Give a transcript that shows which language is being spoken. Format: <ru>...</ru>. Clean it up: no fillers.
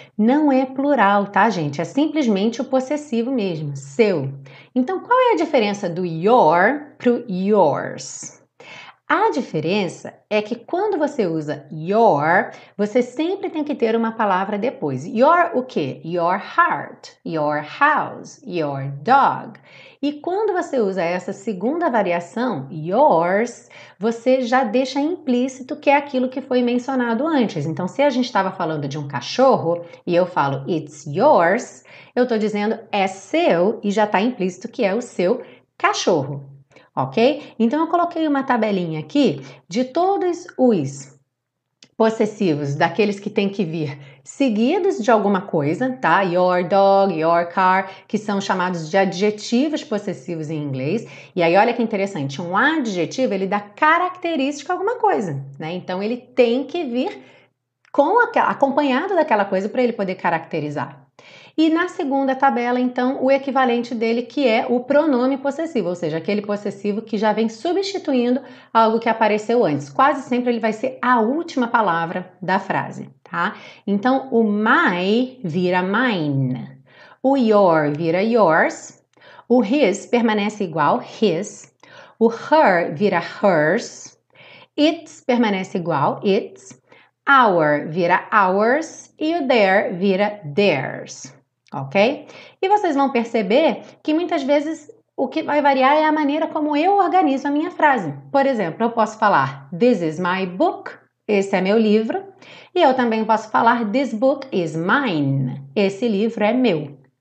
<pt>Não é plural, tá, gente? É simplesmente o possessivo mesmo, seu. Então, qual é a diferença do your pro yours? A diferença é que quando você usa your, você sempre tem que ter uma palavra depois. Your o quê?</pt> <en>Your heart, your house, your dog.</en> <pt>E quando você usa essa segunda variação, yours, você já deixa implícito que é aquilo que foi mencionado antes. Então, se a gente estava falando de um cachorro e eu falo</pt> <en>it's yours,</en> <pt>eu estou dizendo é seu e já está implícito que é o seu cachorro. Ok? Então, eu coloquei uma tabelinha aqui de todos os possessivos, daqueles que têm que vir seguidos de alguma coisa, tá?</pt> <en>Your dog, your car,</en> <pt>que são chamados de adjetivos possessivos em inglês. E aí, olha que interessante, um adjetivo, ele dá característica a alguma coisa, né? Então, ele tem que vir com acompanhado daquela coisa para ele poder caracterizar. E na segunda tabela, então, o equivalente dele, que é o pronome possessivo, ou seja, aquele possessivo que já vem substituindo algo que apareceu antes. Quase sempre ele vai ser a última palavra da frase, tá? Então, o my vira mine, o your vira yours, o his permanece igual, his, o her vira hers, its permanece igual, its, our vira ours e o their vira theirs. Ok? E vocês vão perceber que muitas vezes o que vai variar é a maneira como eu organizo a minha frase. Por exemplo, eu posso falar</pt> <en>this is my book,</en> <pt>esse é meu livro. E eu também posso falar</pt> <en>this book is mine,</en> <pt>esse livro é meu.</pt>